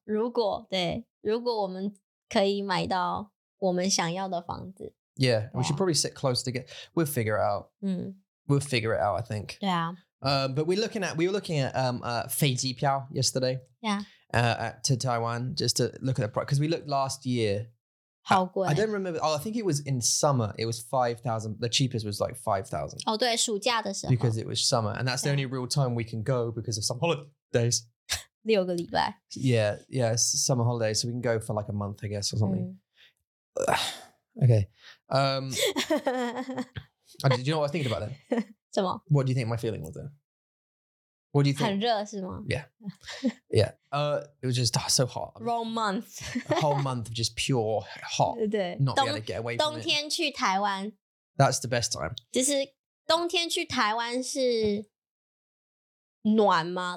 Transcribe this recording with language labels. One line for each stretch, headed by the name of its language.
Chinese: 如果我们可以买到我们想要的房子.
English: Yeah, we should probably sit close to get. We'll figure it out. We'll figure it out, I think. Yeah. But we were looking at 飞机票 yesterday. Yeah. To Taiwan, just to look at the price. Because we looked last year. I don't remember. Oh, I think it was in summer. It was 5,000. The cheapest was like 5,000.
Chinese: Oh, 对，暑假的时候.
English: Because it was summer. And that's the only real time we can go because of some holidays.
Chinese: 六个礼拜.
English: Yeah, yeah, summer holidays. So we can go for like a month, I guess, or something. Okay. do you know what I was thinking about then?
Chinese: 什么?
English: What do you think my feeling was then? What do you think?
Chinese: 很热是吗?
English: Yeah. Yeah. It was just so hot. Wrong month. A whole month of just pure hot.
Chinese: 对,
English: not being able to get away from it.
Chinese: 冬天去台湾,
English: that's the best time.
Chinese: 就是冬天去台湾是暖吗?